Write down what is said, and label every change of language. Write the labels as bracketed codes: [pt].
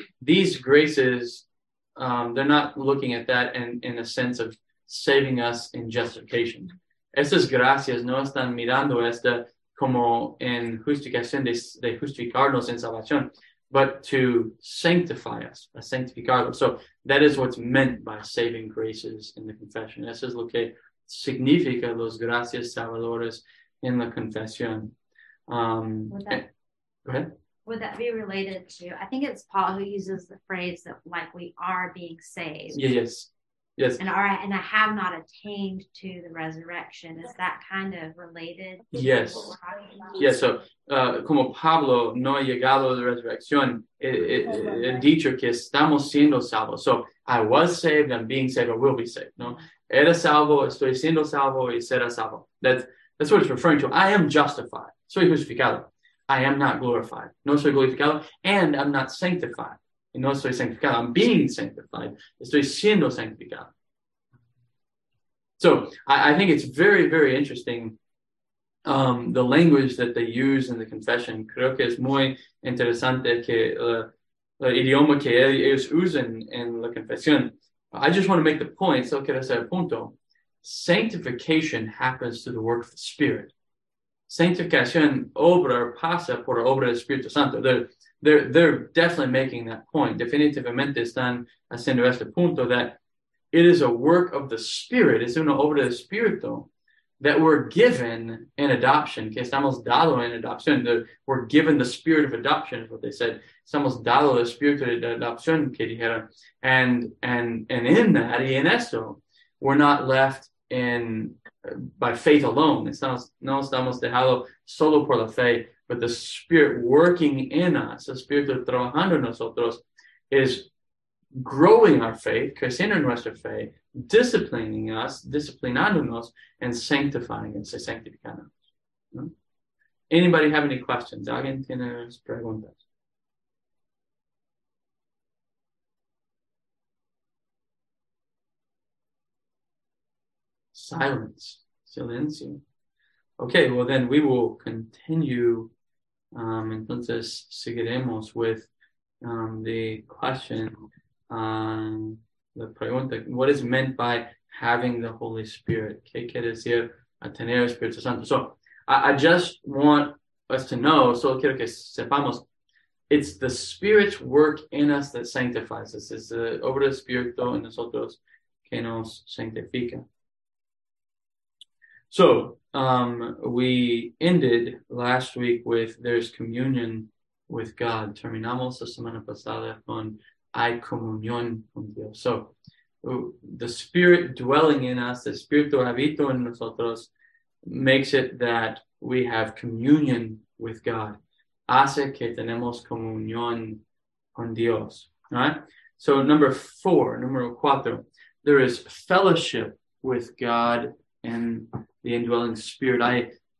[en] These graces, they're not looking at that in a sense of saving us in justification. [es] Estas gracias no están mirando esta como en justificación de justificarnos en salvación, [en] but to sanctify us, [es] a sanctificarlo. [en] So that is what's meant by saving graces in the confession. [es] Eso es lo que significa los gracias salvadoras en la confesión. [en] Go ahead. Would that be related to, I think it's Paul who uses the phrase that like we are being saved. Yes. And I have not attained to the resurrection. Is that kind of related? Yes. To what we're talking about? Yes. [es] So, como Pablo no ha llegado a la resurrección, he dicho que estamos siendo salvos. [en] So, I was saved, I'm being saved, or will be saved. [es] No, era salvo, estoy siendo salvo, y será salvo. [en] That's what it's referring to. I am justified. [es] Soy justificado. [en] I am not glorified. [es] No soy glorificado. [en] And I'm not sanctified. [es] No soy sanctificado. [en] I'm being sanctified. [es] Estoy siendo sanctificado. [en] So I think it's very, very interesting, the language that they use in the confession. [es] Creo que es muy interesante que el idioma que ellos usan en la confesión. [en] I just want to make the point. [es] Solo quiero hacer el punto. [en] Sanctification happens through the work of the Spirit. [es] Sanctificación obra pasa por obra del Espíritu Santo. [en] They're definitely making that point. [es] Definitivamente están haciendo este punto [en] that it is a work of the Spirit. [es] Es una obra del Espíritu [en] that we're given in adoption. [es] Que estamos dado en adopción. [en] We're given the Spirit of adoption, is what they said. [es] Estamos dado el Espíritu de adopción, que dijeron. [en] And in that, [es] y en eso, [en] we're not left in by faith alone. [es] No estamos dejado solo por la fe. [en] But the Spirit working in us, the Spirit [es] trabajando en nosotros, [en] is growing our faith, [es] creciendo nuestra fe, [en] disciplining us, [es] disciplinándonos, [en] and sanctifying us, [es] sanctificando [en] us. No? Anybody have any questions? [es] ¿Alguien tiene preguntas? [en] Silence. [es] Silencio. [en] Okay, well then we will continue. [es] Entonces seguiremos [en] with the question, the pregunta, what is meant by having the Holy Spirit? [es] ¿Qué quiere decir a tener el Espíritu Santo? [en] So I just want us to know, [es] solo quiero que sepamos, [en] it's the Spirit's work in us that sanctifies us. It's the [es] obra del Espíritu en nosotros que nos sanctifica. [en] So, we ended last week with there's communion with God. [es] Terminamos la semana pasada con hay comunión con Dios. [en] So, the Spirit dwelling in us, the [es] Espíritu habito en nosotros, [en] makes it that we have communion with God. [es] Hace que tenemos comunión con Dios. [en] All right? So, number cuatro, there is fellowship with God and the indwelling Spirit.